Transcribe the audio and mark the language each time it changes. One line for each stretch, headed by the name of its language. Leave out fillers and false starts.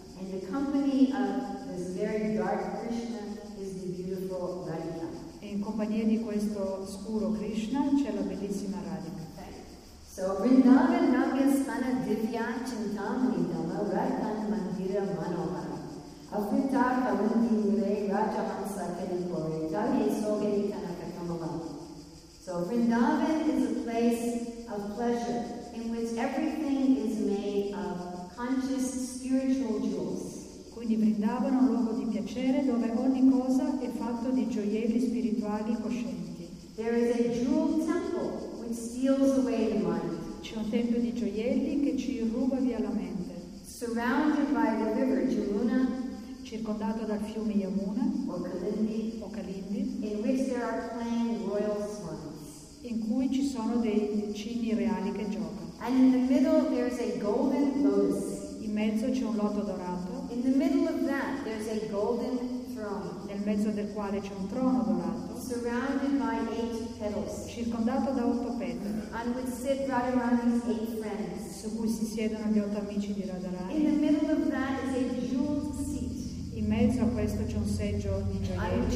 English: In the company of this very dark Krishna is the beautiful Radhika.
Italian: E in compagnia di questo scuro Krishna c'è la bellissima Radhika.
Sanskrit: So Vrindavan Nagasthana Divya Chintamani Dama Radhan Mandira Manohara Avrita Kalundi Mure Raja Hamsa Kedipore Dage Sogeri Kanaka Kamala.
English: So Vrindavan is a place of pleasure in which everything is made of conscious spiritual jewels.
Italian: Quindi Vrindavana è un luogo di piacere dove ogni cosa è fatto di gioielli spirituali coscienti.
English: There is a jewel temple which steals away the mind.
Italian: c'è un tempio di gioielli che ci ruba via la mente.
English: Surrounded by the river Jamuna,
Italian: circondato dal fiume Yamuna,
English: o Kalindi, in which there are playing royal swans,
Italian: in cui ci sono dei cigni reali che giocano.
English: And in the middle there is a golden lotus.
Italian: In mezzo c'è un loto dorato.
English: In the middle of that there is a golden throne.
Italian: Nel mezzo del quale c'è un trono dorato.
English: Surrounded by eight petals.
Italian: Circondato da otto petali.
English: On which sit Radharani's eight friends.
Italian: Su cui si siedono gli otto amici di Radharani.
English: In the middle of that is a jeweled seat.
Italian: In mezzo a questo c'è un seggio di gioielli.